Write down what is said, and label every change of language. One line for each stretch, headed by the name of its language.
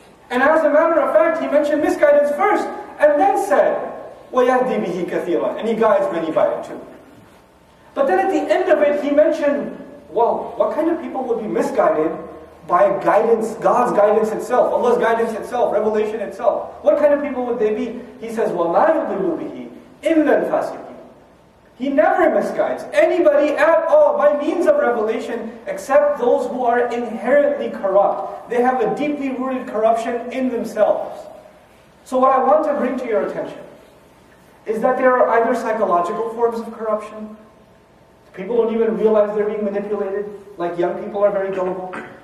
English: And as a matter of fact, He mentioned misguidance first, and then said,
Arabic: وَيَهْدِي بِهِ كَثِيرًا,
English: and He guides many by it too. But then at the end of it, He mentioned, well, what kind of people would be misguided by guidance, God's guidance itself, Allah's guidance itself, revelation itself? What kind of people would they be? He says,
Arabic: وَمَا يُضِلُّ بِهِ إِلَّا الْفَاسِقِينَ.
English: He never misguides anybody at all by means of revelation, except those who are inherently corrupt. They have a deeply rooted corruption in themselves. So what I want to bring to your attention is that there are either psychological forms of corruption, people don't even realize they're being manipulated, like young people are very gullible.